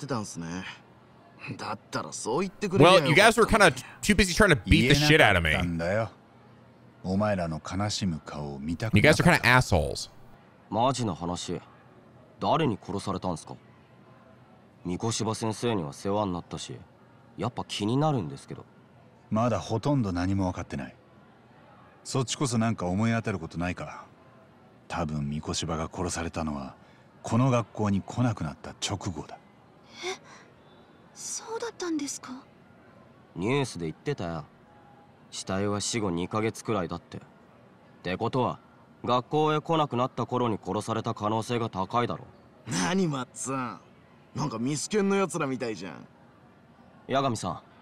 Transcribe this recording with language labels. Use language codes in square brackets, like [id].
[ja] まあね。やっぱりな。だと思ったよ。それで矢上さん、三越場先生のこと聞き回ってたんすね。だったらそう言ってくれよ。 [en] Well, you guys were kind of too busy trying to beat the shit out of me. [ja] お前らの悲しむ顔を見たくない。 [en] You guys are kind of assholes. [ja] マジの話。誰に殺されたんすか?三越場先生には世話になったし、やっぱ気になるんですけど。まだほとんど何も分かってない。そっちこそなんか思い当たることないか。多分三越場が殺されたのはこの学校に来なくなった直後だ。え?そうだったんですか?ニュースで言ってたよ。死体は死後2ヶ月くらいだって。ってことは学校へ来なくなった頃に殺された可能性が高いだろ。何、マッツァン。なんかミスケンのやつらみたいじゃん。矢上さん。